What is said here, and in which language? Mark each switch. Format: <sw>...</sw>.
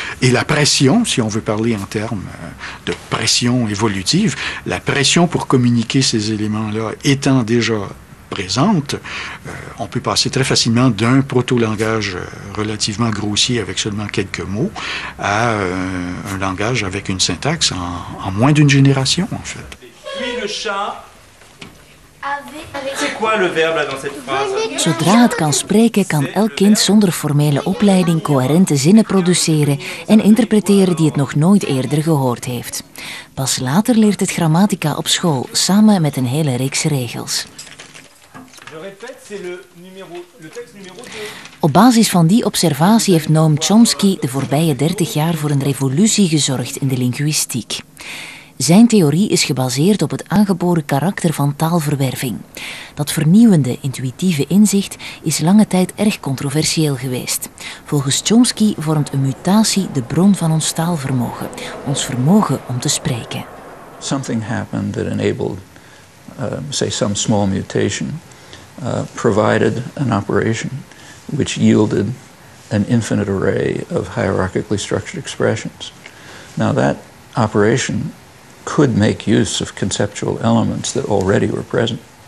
<fr>Et la pression, si on veut parler en termes de pression évolutive, la pression pour communiquer ces éléments-là étant déjà présente, on peut passer très facilement d'un proto-langage relativement grossier avec seulement quelques mots à un langage avec une syntaxe en moins d'une génération, en fait. Puis le chat. Avec. C'est quoi le verbe là dans cette phrase?</fr> <nl>Zodra het kan spreken, kan elk kind zonder formele opleiding coherente zinnen produceren en interpreteren die het nog nooit eerder gehoord heeft. Pas later leert het grammatica op school, samen met een hele reeks regels. Op basis van die observatie heeft Noam Chomsky de voorbije 30 jaar voor een revolutie gezorgd in de linguïstiek. Zijn theorie is gebaseerd op het aangeboren karakter van taalverwerving. Dat vernieuwende, intuïtieve inzicht is lange tijd erg controversieel geweest. Volgens Chomsky vormt een mutatie de bron van ons taalvermogen, ons vermogen om te spreken.</nl> <en>Something happened that enabled, say, some small mutation. Provided an operation which yielded an infinite array of hierarchically structured expressions. Now that operation could make use of conceptual elements that already were present.</en>